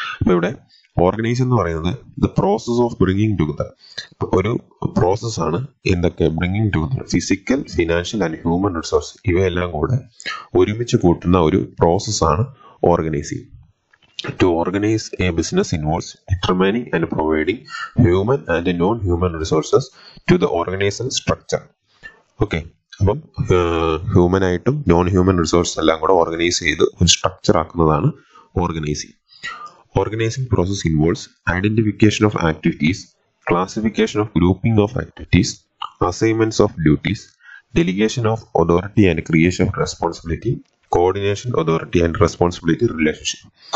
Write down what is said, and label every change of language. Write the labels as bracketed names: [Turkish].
[Malayalam] അപ്പൊ ഇവിടെ ഓർഗനൈസ് എന്ന് പറയുന്നത് [English] the process of bringing together, [Malayalam] ഒരു പ്രോസസ്സാണ്. എന്തൊക്കെ bringing together? Physical, financial and human resource, ഇവയെല്ലാം കൂടെ ഒരുമിച്ച് കൂട്ടുന്ന ഒരു പ്രോസസ്സാണ് organising. [English] To organize a business involves determining and providing human and non-human resources to the organizational structure. [Malayalam] Okay, അപ്പം ഹ്യൂമൻ ആയിട്ടും നോൺ ഹ്യൂമൻ റിസോഴ്സ് എല്ലാം കൂടെ ഓർഗനൈസ് ചെയ്ത് ഒരു structure ആക്കുന്നതാണ് organising. [English] Organising process involves identification of activities, classification of grouping of activities, assignments of duties, delegation of authority and creation of responsibility, coordination authority and responsibility relationship.